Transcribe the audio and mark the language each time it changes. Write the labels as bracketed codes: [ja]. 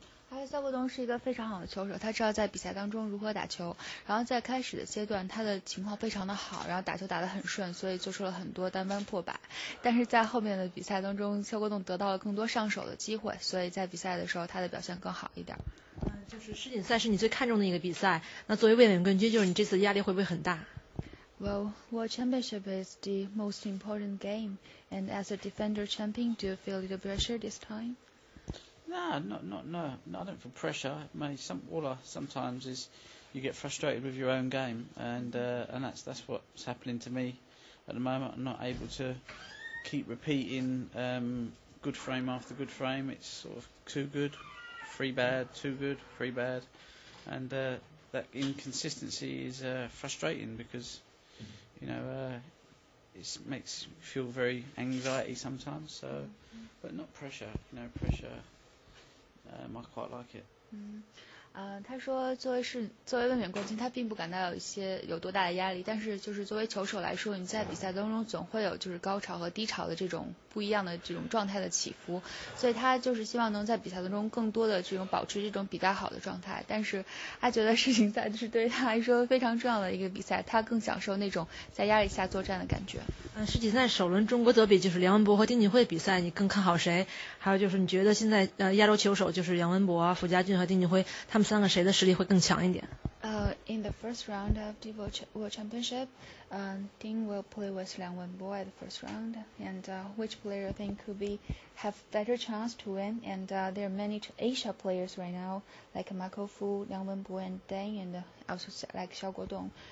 [zh] 他的肖国东是一个非常好的球手，他知道在比赛当中如何打球，然后在开始的阶段他的情况非常的好，然后打球打得很顺，所以做出了很多单扳破百，但是在后面的比赛当中肖国东得到了更多上手的机会，所以在比赛的时候他的表现更好一点。就是世锦赛是你最看重的一个比赛，那作为卫冕冠军，就是你这次压力会不会很大？ [en] Well, World Championship is the most important game, and as a defender champion, do you feel a little pressure this time? No, I don't feel pressure. Sometimes is you get frustrated with your own game, and that's what's happening to me at the moment. I'm not able to keep repeating good frame after good frame. It's sort of too good, three bad, too good, three bad, and that inconsistency is frustrating because... You know, it makes you feel very anxiety sometimes, so, but not pressure, you know, pressure, I quite like it. [zh] 他说作为卫冕冠军，他并不感到有多大的压力，但是就是作为球手来说，你在比赛当中总会有就是高潮和低潮的这种不一样的这种状态的起伏，所以他就是希望能在比赛当中更多的这种保持这种比较好的状态，但是他觉得世锦赛是对他来说非常重要的一个比赛，他更享受那种在压力下作战的感觉。世锦赛首轮中国德比就是梁文博和丁锦慧比赛，你更看好谁？还有就是你觉得现在亚洲球手就是杨文博、傅家俊和丁锦慧他们三个谁的实力会更强一点？ [en] In the first round of the World Championship, Ding will play with Liang Wenbo at the first round. And which player you think could have better chance to win? And there are many Asia players right now, like Marco Fu, Liang Wenbo, and Deng, and also like Xiao Guodong.